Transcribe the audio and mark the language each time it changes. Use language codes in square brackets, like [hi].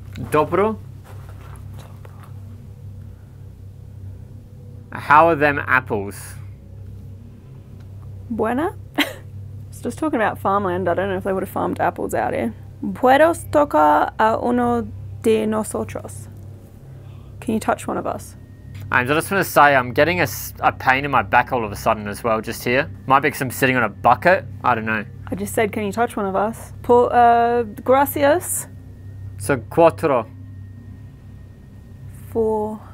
[en] Dobro. How are them apples? [es] Buena? [en] I was just talking about farmland. I don't know if they would have farmed apples out here. [es] ¿Puedes tocar a uno de nosotros? [en] Can you touch one of us? I just want to say I'm getting a pain in my back all of a sudden as well, just here. Might be because I'm sitting on a bucket. I don't know. I just said, can you touch one of us? [es] Gracias. So cuatro. [en] Four.